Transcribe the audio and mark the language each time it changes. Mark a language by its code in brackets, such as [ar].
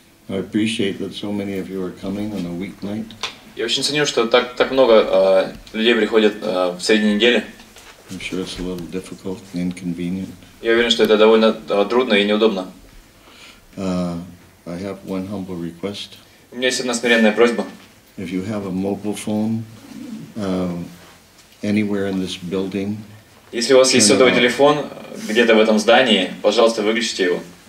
[en] I appreciate that so many of you are coming on a weeknight. [ru] Я очень ценю, что так много людей приходит в средней неделе. [en] I'm sure it's a little difficult and inconvenient. [ru] Я уверен, что это довольно трудно и неудобно. [en] I have one humble request. [ru] У меня есть одна смиренная просьба. [en] If you have a mobile phone anywhere in this building. [ru] Если у вас есть сотовый телефон где-то в этом здании, пожалуйста, выключите его.